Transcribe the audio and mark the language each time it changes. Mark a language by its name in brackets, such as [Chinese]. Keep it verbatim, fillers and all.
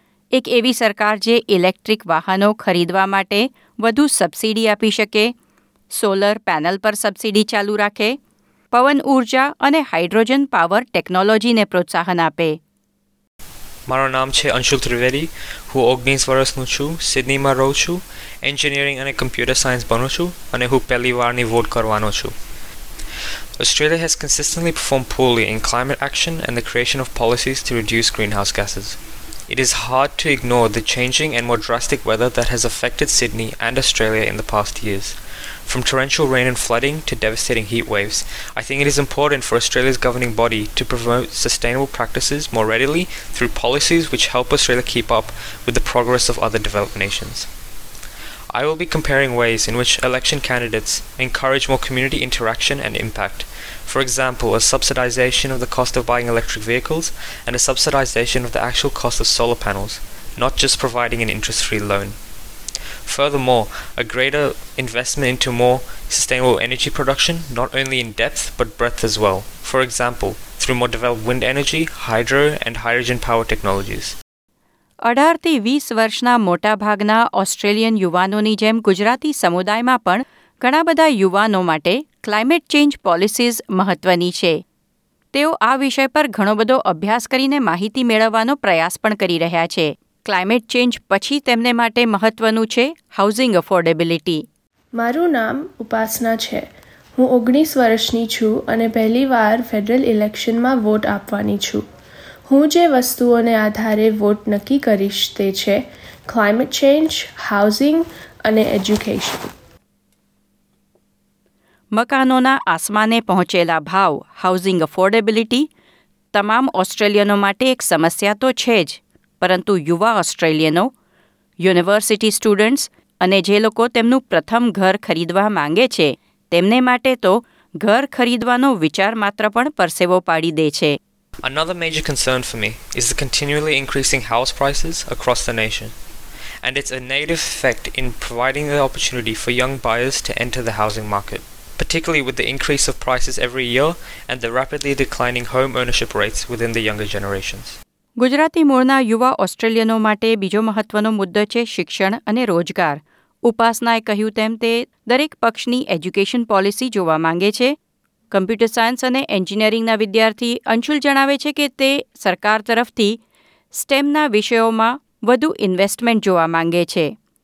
[Gujarati] એક એવી સરકાર જે ઇલેક્ટ્રિક વાહનો ખરીદવા માટે વધુ સબસિડી આપી શકે, સોલર પેનલ પર સબસિડી ચાલુ રાખે, પવન ઊર્જા અને હાઇડ્રોજન પાવર ટેકનોલોજીને પ્રોત્સાહન આપે. મારું નામ છે અંશુલ ત્રિવેદી, હું ઓગણીસ વર્ષનું છું, સિડનીમાં રહું છું, એન્જિનિયરિંગ અને કમ્પ્યુટર સાયન્સ ભણું છું અને હું પહેલી વારની વોટ કરવાનો છું. [English] Australia has consistently performed poorly in climate action and the creation of policies to reduce greenhouse gases. It is hard to ignore the changing and more drastic weather that has affected Sydney and Australia in the past years. From torrential rain and flooding to devastating heat waves, I think it is important for Australia's governing body to promote sustainable practices more readily through policies which help Australia keep up with the progress of other developed nations. I will be comparing ways in which election candidates encourage more community interaction and impact. For example, a subsidisation of the cost of buying electric vehicles and a subsidisation of the actual cost of solar panels, not just providing an interest-free loan. Furthermore, a greater investment into more sustainable energy production, not only in depth but breadth as well. For example, through more developed wind energy, hydro and hydrogen power technologies. [Gujarati] અઢારથી વીસ વર્ષના મોટાભાગના Australian યુવાનોની જેમ ગુજરાતી સમુદાયમાં પણ ઘણા બધા યુવાનો માટે ક્લાઇમેટ ચેન્જ પોલિસીઝ મહત્વની છે. તેઓ આ વિષય પર ઘણો બધો અભ્યાસ કરીને માહિતી મેળવવાનો પ્રયાસ પણ કરી રહ્યા છે. ક્લાઇમેટ ચેન્જ પછી તેમને માટે મહત્વનું છે હાઉસિંગ અફોર્ડેબિલિટી. મારું નામ ઉપાસના છે. હું ઓગણીસ વર્ષની છું અને પહેલીવાર ફેડરલ ઇલેક્શનમાં વોટ આપવાની છું. હું જે વસ્તુઓને આધારે વોટ નક્કી કરીશ તે છે ક્લાઇમેટ ચેન્જ, હાઉસિંગ અને એજ્યુકેશન. મકાનોના આસમાને પહોંચેલા ભાવ, હાઉસિંગ અફોર્ડેબિલિટી તમામ ઓસ્ટ્રેલિયનો માટે એક સમસ્યા તો છે જ, પરંતુ યુવા ઓસ્ટ્રેલિયનો, યુનિવર્સિટી સ્ટુડન્ટ્સ અને જે લોકો તેમનું પ્રથમ ઘર ખરીદવા માંગે છે તેમને માટે તો ઘર ખરીદવાનો વિચાર માત્ર પણ પરસેવો પાડી દે છે. [English] Another major concern for me is the continually increasing house prices across the nation, and its a negative effect in providing the opportunity for young buyers to enter the housing market, particularly with the increase of prices every year and the rapidly declining home ownership rates within the younger generations. [Gujarati] Gujarati મૂળના યુવા ઓસ્ટ્રેલિયનો માટે બીજો મહત્વનો મુદ્દો છે શિક્ષણ અને રોજગાર. ઉપાસનાએ કહ્યું તેમ તે દરેક પક્ષની એજ્યુકેશન પોલિસી જોવા માંગે છે. કમ્પ્યુટર સાયન્સ અને એન્જિનિયરિંગના વિદ્યાર્થી અંશુલ જણાવે છે કે તે સરકાર તરફથી સ્ટેમના વિષયોમાં વધુ ઇન્વેસ્ટમેન્ટ જોવા માંગે છે.